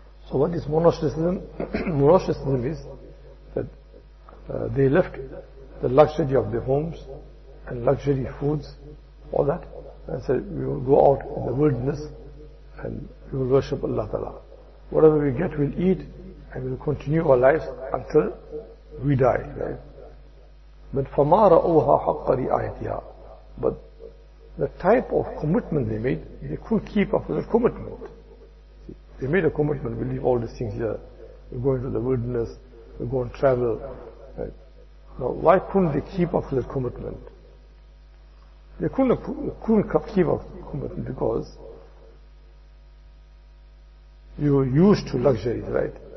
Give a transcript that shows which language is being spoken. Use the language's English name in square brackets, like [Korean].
[English] So what is monasticism? Monasticism is that they left the luxury of their homes and luxury foods, all that, and said, we will go out in the wilderness and we will worship Allah Ta'ala. Whatever we get, we'll eat and we'll continue our lives until we die. Right? [Arabic] But فَمَا رَأُوهَا حَقَّ رِعَيْتِهَا. [English] But the type of commitment they made, they couldn't keep up with the commitment. They made a commitment, we'll leave all these things here. We'll go into the wilderness, we'll go and travel. Right? Now, why couldn't they keep up with the commitment? They couldn't keep up commitment because you were used to luxuries, right?